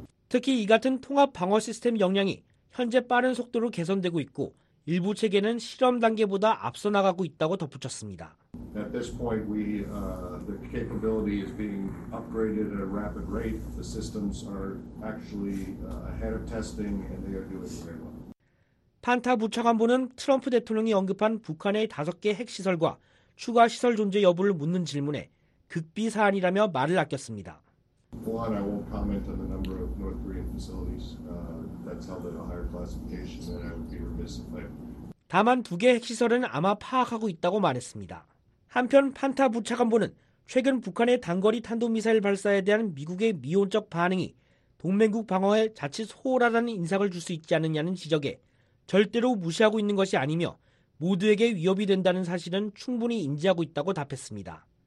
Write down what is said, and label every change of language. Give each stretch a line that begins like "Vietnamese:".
Korean: 특히 이 같은 통합 방어 시스템 역량이 현재 빠른 속도로 개선되고 있고 일부 체계는 실험 단계보다 앞서 나가고 있다고 덧붙였습니다.
English: At this point, the capability is being upgraded at a rapid rate. The systems are actually ahead of testing, and they are doing very well.
Korean: 판타 부차관보는 트럼프 대통령이 언급한 북한의 5개 핵 시설과 추가 시설 존재 여부를 묻는 질문에 극비 사안이라며 말을 아꼈습니다.
English: One, I won't comment on the number of North Korean facilities. That's held at a higher classification, and I would be remiss if I.
Korean: 다만 2개 핵 시설은 아마 파악하고 있다고 말했습니다. 한편 판타 부차관보는 최근 북한의 단거리 탄도미사일 발사에 대한 미국의 미온적 반응이 동맹국 방어에 자칫 소홀하다는 인상을 줄 수 있지 않느냐는 지적에 절대로 무시하고 있는 것이 아니며 모두에게 위협이 된다는 사실은 충분히 인지하고 있다고 답했습니다.